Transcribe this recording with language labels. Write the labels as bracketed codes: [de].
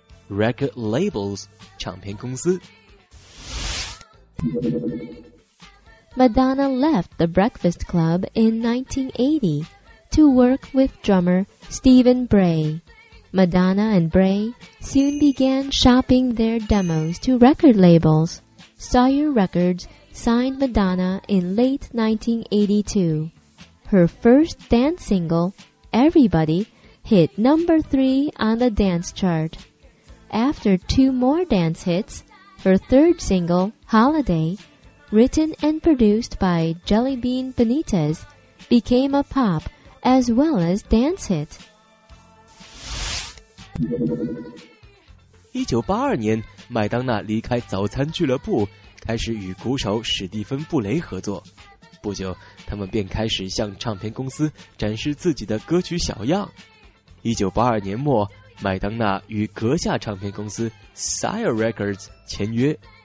[en] Record labels, [zh] 唱片公司。 [en] Madonna left the Breakfast Club in 1980 to work with drummer Stephen Bray. Madonna and Bray soon began shopping their demos to record labels. Sawyer Records signed Madonna in late 1982. Her first dance single, Everybody, hit number 3 on the dance chart. After two more dance hits, her third single, Holiday,Written and produced by Jellybean Benitez, became a pop as well as dance hit. [zh] 1982年，麦当娜离开早餐俱乐部，开始与鼓手史蒂芬·布雷合作。不久，他们便开始向唱片公司展示自己的歌曲小样。 1982年末，麦当娜与阁下唱片公司 Sire Records 签约。